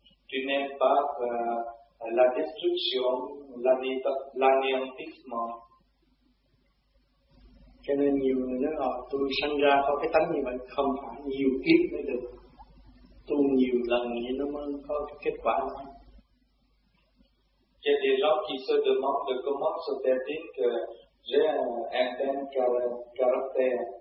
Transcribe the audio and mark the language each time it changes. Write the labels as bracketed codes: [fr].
[fr] Tu n'aimes pas la destruction, l'anéantissement. [vi] Cho nên nhiều người nói là tôi sinh ra có cái tánh như vậy, không phải nhiều kiếp mới được. Tu nhiều lần thì nó mới có kết quả. [fr] Il y a des gens qui se demandent comment se fait-il que j'ai un tel caractère.